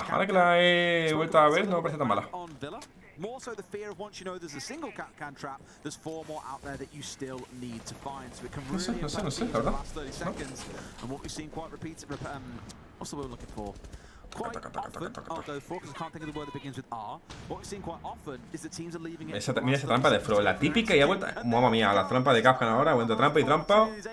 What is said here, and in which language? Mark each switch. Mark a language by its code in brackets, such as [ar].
[es] Ahora que la he vuelto a ver, no me parece tan mala. [en] More so the fear of once you know there's a single cat can trap, there's four more out there that you still need to find. So it can really impact the last 30 seconds. And what we've seen quite repeated, what's the word we're looking for? Quite often, although four, because I can't think of the word that begins with R. What we've seen quite often is that teams are leaving it. [es] Mira esa trampa de Fro, la típica y ha vuelto. Mamma mía, la trampa de Kafka ahora, vuelto trampa y trampa.